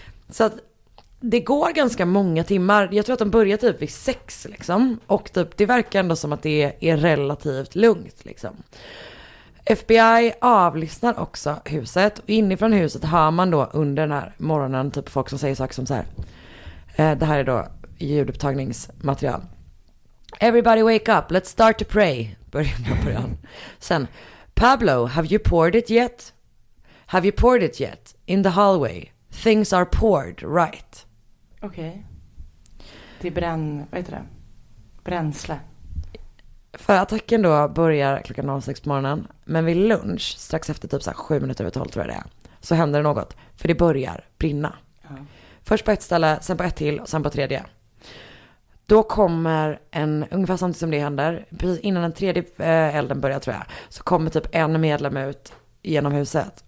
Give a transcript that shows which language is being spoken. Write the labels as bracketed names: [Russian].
[Swedish] Så att det går ganska många timmar. Jag tror att de börjar typ vid 6 liksom. Och typ, det verkar ändå som att det är relativt lugnt liksom. FBI avlyssnar också huset och inifrån huset hör man då under den här morgonen typ folk som säger saker som så här. Det här är då ljudupptagningsmaterial. [English] Everybody wake up, let's start to pray. [Swedish] Början. Sen, [English] Pablo, have you poured it yet? Have you poured it yet? In the hallway, things are poured, right? Okej. Okay. [Swedish] Det är bränn, vad heter det? Bränsle. För attacken då börjar klockan 06 på morgonen. Men vid lunch, strax efter typ så här 7 minuter över 12 tror jag det är, så händer det något. För det börjar brinna. Uh-huh. Först på ett ställe, sen på ett till och sen på tredje. Då kommer en, ungefär samtidigt som det händer, precis innan den tredje elden börjar tror jag, så kommer typ en medlem ut genom huset.